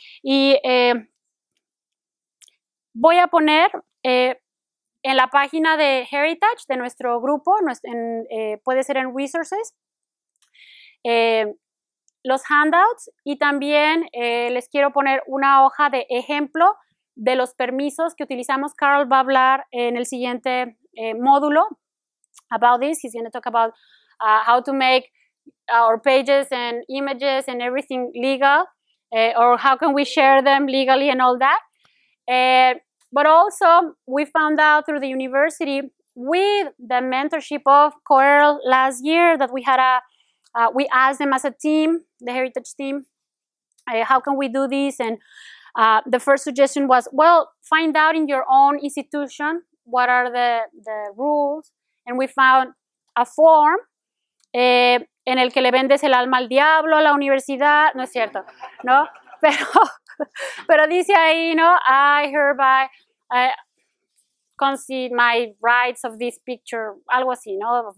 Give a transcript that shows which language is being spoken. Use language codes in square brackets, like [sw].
[es] Y voy a poner en la página de Heritage, de nuestro grupo, puede ser en Resources, los handouts y también les quiero poner una hoja de ejemplo de los permisos que utilizamos. Carl va a hablar en el siguiente módulo [en] about this. He's going to talk about how to make our pages and images and everything legal or how can we share them legally and all that. But also we found out through the university with the mentorship of Coral last year that we had we asked them as a team, the Heritage team, how can we do this? And The first suggestion was, well, find out in your own institution what are the rules. And we found a form [es] en el que le vendes el alma al diablo, a la universidad. No es cierto, ¿no? Pero dice ahí, ¿no? [en] I hereby concede my rights of this picture, [es] algo así, [en] ¿no?